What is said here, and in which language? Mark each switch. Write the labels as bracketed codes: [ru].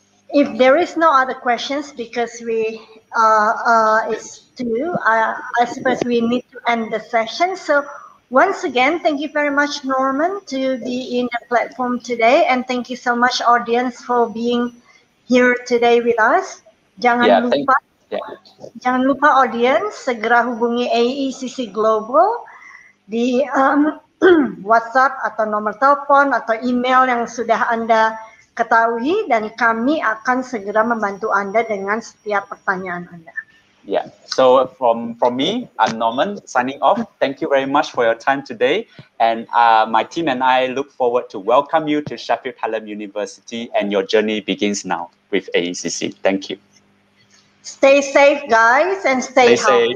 [en] If there is no other questions, because we it's two, I suppose we need to end the session. So once again, thank you very much, Norman, to be in the platform today. And thank you so much, audience, for being here today with us. [id] Jangan lupa, audience, segera hubungi AECC Global di WhatsApp atau nomor telepon atau email yang sudah Anda ketahui, dan kami akan segera membantu Anda dengan setiap pertanyaan Anda. [en] Yeah, so from me, I'm Norman, signing off. Thank you very much for your time today. And my team and I look forward to welcome you to Sheffield Hallam University, and your journey begins now with AECC. Thank you. Stay safe, guys, and stay healthy.